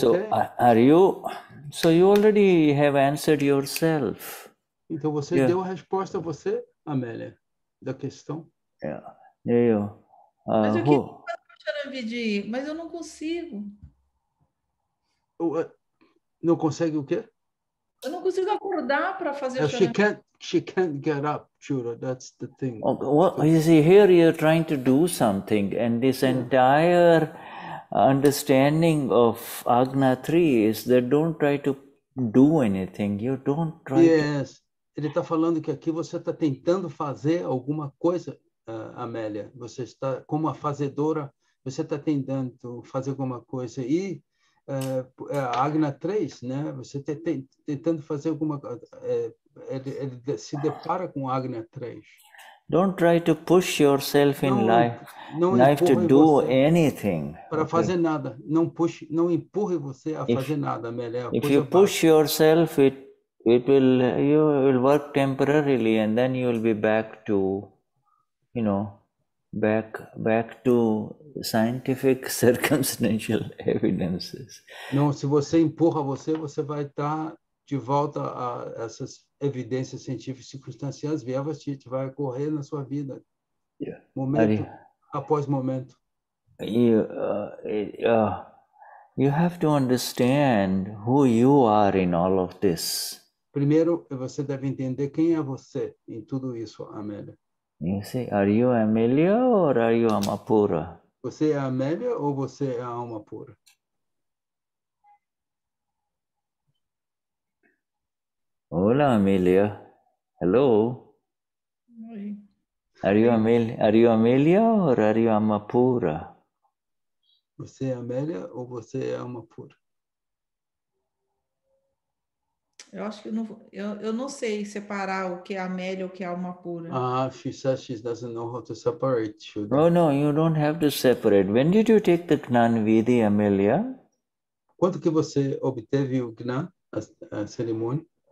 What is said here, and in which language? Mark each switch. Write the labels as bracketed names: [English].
[English] So are you, so you already have answered yourself. [Portuguese] Então você, [English] yeah, [Portuguese] deu a resposta a você, Amélia, da questão. Yeah. Eu. Mas eu queria fazer o Sharanavidhi, mas eu não consigo. Não consegue o quê? Eu não consigo acordar para fazer [English] o Sharanavidhi. She can't get up, Shuddha. That's the thing. Well, you see, here you're trying to do something, and this entire understanding of Agna 3 is that don't try to do anything. You don't try. Yes. [Portuguese] Ele está falando que aqui você está tentando fazer alguma coisa, Amélia. Você está, como a fazedora, você está tentando fazer alguma coisa e. Agna 3, né? Você tentando fazer alguma coisa, ele se depara com Agna 3. [English] Don't try to push yourself in life to do anything. [Portuguese] Para fazer nada, não empurre você a fazer nada, Amélia. [English] If you push yourself, it will work temporarily and then you will be back to, you know, back to scientific circumstantial evidences. [Portuguese] Não, se você empurra você vai estar de volta a essas evidências científicas circunstanciais, Vyavasthit vai correr na sua vida. [English] Yeah. [Portuguese] Momento após momento. [English] You have to understand who you are in all of this. [Portuguese] Primeiro, você deve entender quem é você em tudo isso, Amélia. [English] You see, are you Amélia or are you alma pura? [Portuguese] Você é Amélia ou você é alma pura? Olá, Amélia. [English] Hello. [Portuguese] Oi. [English] Are you Amélia or are you alma pura? [Portuguese] Você é Amélia ou você é alma pura? Eu acho que eu não sei separar o que é Amélia ou o que é alma pura. [English] Ah, she says she doesn't know how to separate. Sugar. Oh, no, you don't have to separate. When did you take the Gnan Vidhi, Amélia? [Portuguese] Quando que você obteve o Gnan, a cerimônia?